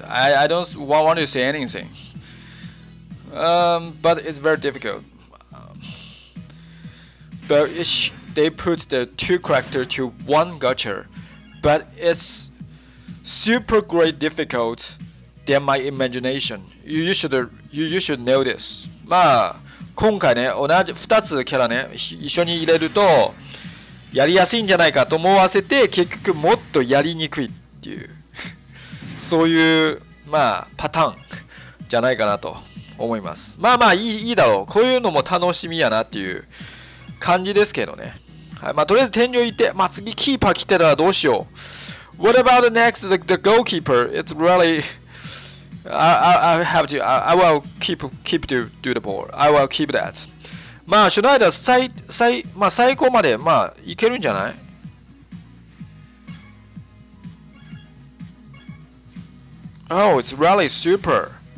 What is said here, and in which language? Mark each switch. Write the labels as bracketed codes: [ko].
[en] I don't want to say anythingBut it's very difficult. But they put the two character to one gacha, but it's super great difficult than my imagination. You should know this. [ja] まあ今回ね、同じ2つキャラね一緒に入れるとやりやすいんじゃないかと思わせて、結局もっとやりにくいっていうそういうまあパターンじゃないかなと。思います。まあまあいいだろう。こういうのも楽しみやなっていう感じですけどね。はい、まあとりあえず天井行って、まあ次キーパー来てたらどうしよう。 [en] What about the next the goalkeeper? It's really I will keep to do the ball. I will keep that. [ja] まあシュナイダー最まあ最高までまあいけるんじゃない？ [en] Oh, it's really super.